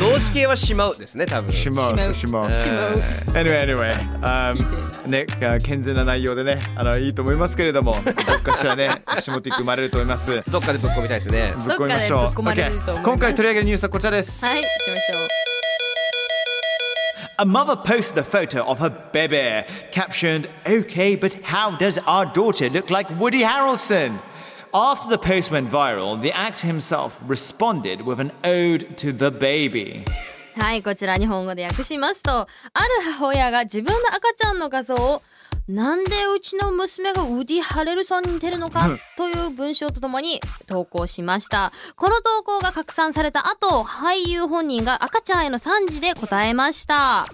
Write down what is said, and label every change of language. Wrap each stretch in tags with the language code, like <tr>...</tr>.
<ja>動詞系はしまうですね、多分。しまう。しまう。</ja> <en>Anyway, anyway.</en> <ja>ね、健全な内容でね、いいと思いますけれども、どっかしらね、シモティック生まれると思います。どっかでぶっ込みたいですね。ぶっ込みましょう。どっかでぶっ込まれると思います。今回取り上げるニュースはこちらです。はい、行きましょう。</ja> <en>A mother posted a photo of her bebe, captioned, Okay, but how does our daughter look like Woody Harrelson? After the post went viral, the actor himself responded with an ode to the baby.</en> <ja>はい、こちら日本語で訳しますと、ある母親が自分の赤ちゃんの画像を、なんでうちの娘がウディ・ハレルソンに似てるのかという文章とともに投稿しました。この投稿が拡散された後、俳優本人が赤ちゃんへの賛辞で答えました。</ja>